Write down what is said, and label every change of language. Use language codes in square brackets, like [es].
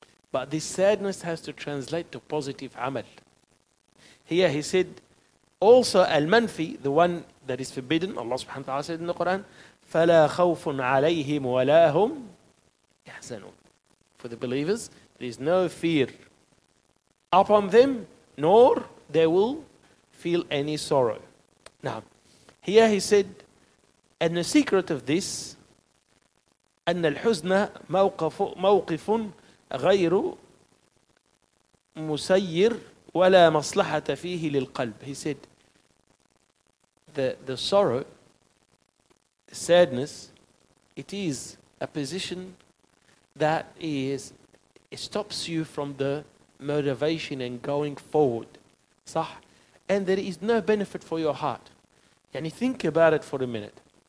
[en] But this sadness has to translate to positive amal. Here he said, also al-manfi, the one that is forbidden, Allah subhanahu wa ta'ala said in the Quran, [ar] فَلَا خَوْفٌ عَلَيْهِمْ وَلَا هُمْ يَحْزَنُونَ. [en] For the believers, there is no fear upon them, nor they will feel any sorrow. Now, here he said, and the secret of this, [ar] أن الحزن موقف موقف غير مسير ولا مصلحة فيه للقلب. [en] He said, the sorrow, the sadness, it is a position that is, it stops you from the motivation and going forward. [ar] صح? [en] And there is no benefit for your heart. يعني think about it for a minute.